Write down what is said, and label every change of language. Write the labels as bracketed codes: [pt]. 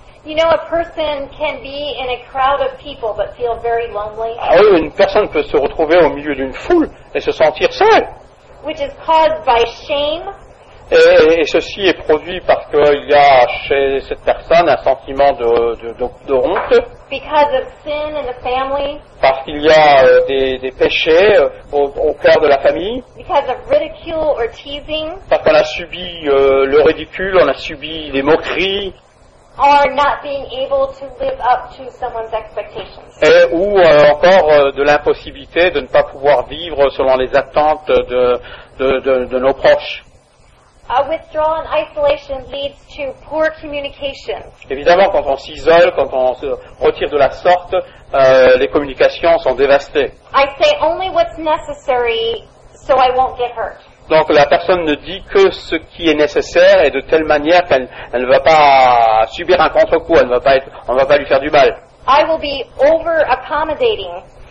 [en] You know, a person can be in a crowd of people but feel very lonely. [fr] Ah oui, une personne peut se retrouver au milieu d'une foule et se sentir seule. [en] Which is caused by shame. [fr] Et ceci est produit parce qu'il y a chez cette personne un sentiment de honte. [en] Because of sin in the family. [fr] Parce qu'il y a des péchés au cœur de la famille. [en] Because of ridicule or teasing. [fr] Parce qu'on a subi le ridicule, on a subi des moqueries. [en] Or not being able to live up to someone's expectations. [fr] Et ou encore de l'impossibilité de ne pas pouvoir vivre selon les attentes de nos proches. [en] A withdrawal and isolation leads to poor communication. [fr] Évidemment, quand on s'isole, quand on se retire de la sorte, les communications sont dévastées. [en] I say only what's necessary so I won't get hurt. [fr] Donc la personne ne dit que ce qui est nécessaire et de telle manière qu'elle ne va pas subir un contre-coup, on ne va pas lui faire du mal. [en] I will be over accommodating.